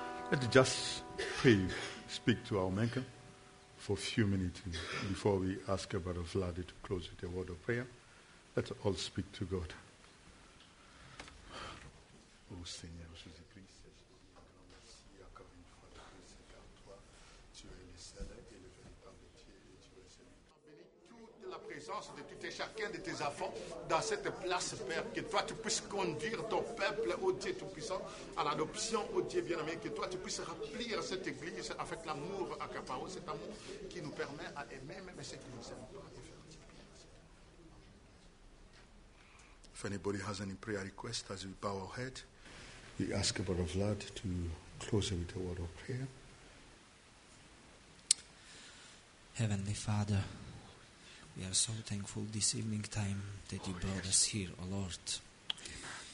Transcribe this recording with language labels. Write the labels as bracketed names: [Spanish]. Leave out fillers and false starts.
[English] Let's just pray, speak to our Maker for a few minutes before we ask Brother Vlad to close with a word of prayer. Let's all speak to God. [French] Oh, Seigneur, je vous prie, merci encore une fois de rester par toi. Tu es le seul et le véritable Dieu. Tu es celui qui bénit toute la présence de tout et chacun de tes enfants dans cette place, Père. Que toi, tu puisses conduire ton peuple, ô Dieu Tout-Puissant, à l'adoption, ô Dieu bien-aimé. Que toi, tu puisses remplir cette église avec l'amour à Capao, cet amour qui nous permet à aimer même ceux qui ne nous aiment pas. [English] If anybody has any prayer request, as we bow our head, we ask Brother Vlad to close with a word of prayer. Heavenly Father, we are so thankful this evening time that you brought us here, O Lord. Amen.